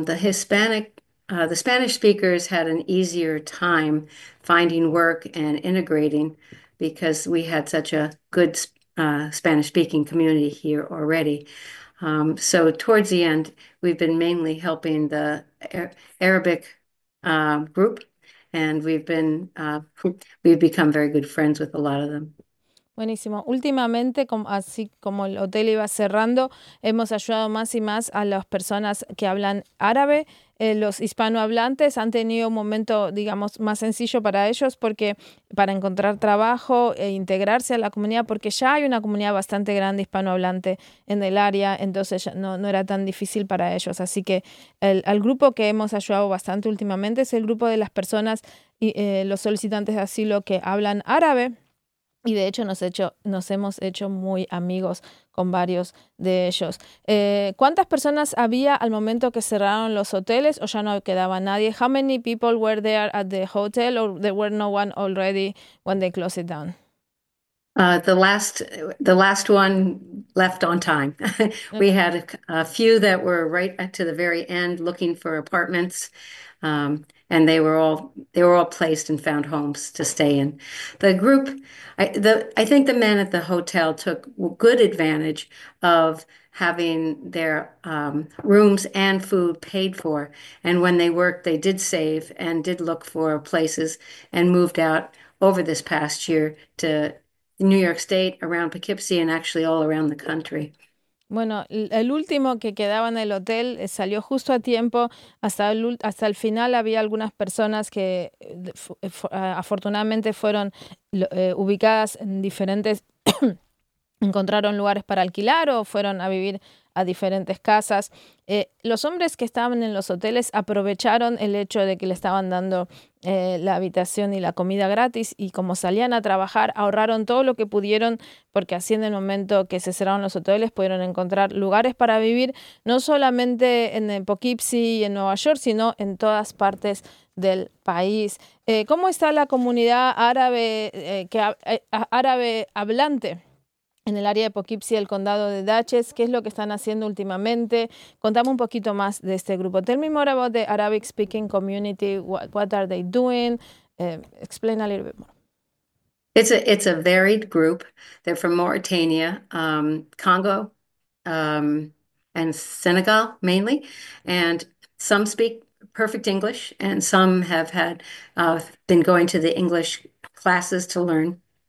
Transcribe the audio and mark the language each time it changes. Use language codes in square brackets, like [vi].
[en] The Spanish speakers had an easier time finding work and integrating because we had such a good Spanish speaking community here already. So towards the end, we've been mainly helping the Arabic group. And we've become very good friends with a lot of them. [es] Buenísimo. Últimamente, así como el hotel iba cerrando, hemos ayudado más y más a las personas que hablan árabe. Los hispanohablantes han tenido un momento, digamos, más sencillo para ellos porque para encontrar trabajo e integrarse a la comunidad, porque ya hay una comunidad bastante grande hispanohablante en el área, entonces ya no era tan difícil para ellos. Así que el grupo que hemos ayudado bastante últimamente es el grupo de las personas y los solicitantes de asilo que hablan árabe. Y de hecho nos hemos hecho muy amigos con varios de ellos. ¿Cuántas personas había al momento que cerraron los hoteles o ya no quedaba nadie? [en] How many people were there at the hotel or there were no one already when they closed it down? The last one left on time. We okay. had a few that were right to the very end looking for apartments. And they were all placed and found homes to stay in. The group, I think the men at the hotel took good advantage of having their rooms and food paid for. And when they worked, they did save and did look for places and moved out over this past year to New York State, around Poughkeepsie, and actually all around the country. [es] Bueno, el último que quedaba en el hotel salió justo a tiempo. Hasta el final había algunas personas que afortunadamente fueron ubicadas en diferentes, encontraron lugares para alquilar o fueron a vivir a diferentes casas. Los hombres que estaban en los hoteles aprovecharon el hecho de que le estaban dando la habitación y la comida gratis y como salían a trabajar, ahorraron todo lo que pudieron porque así en el momento que se cerraron los hoteles pudieron encontrar lugares para vivir, no solamente en Poughkeepsie y en Nueva York, sino en todas partes del país. ¿Cómo está la comunidad árabe, árabe hablante en el área de Poughkeepsie, el condado de Dutchess? ¿Qué es lo que están haciendo últimamente? Contame un poquito más de este grupo. [en] Tell me more about the Arabic speaking community. What are they doing? Explain a little bit more. It's a varied group. They're from Mauritania, Congo, and Senegal mainly. And some speak perfect English and some have been going to the English classes to learn.